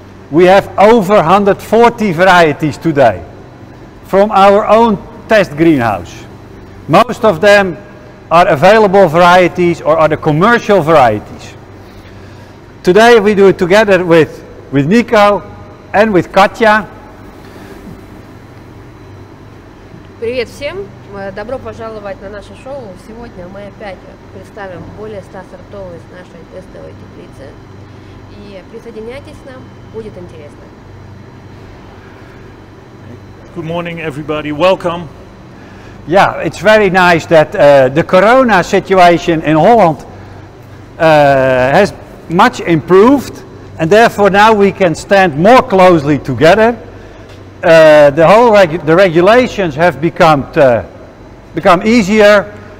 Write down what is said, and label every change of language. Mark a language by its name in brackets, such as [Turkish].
[English] We have over 140 varieties today from our own test greenhouse. Most of them are available varieties or are the commercial varieties. Today we do it together with Nico and with Katya. [Russian] Привет всем! Добро пожаловать на наше шоу. Сегодня мы опять представим более 100 сортов из нашей тестовой теплицы. И присоединяйтесь к нам, будет интересно. [English] Good morning, everybody. Welcome. Yeah, it's very nice that the corona situation in Holland has much improved, and therefore now we can stand more closely together. The whole the regulations have become easier.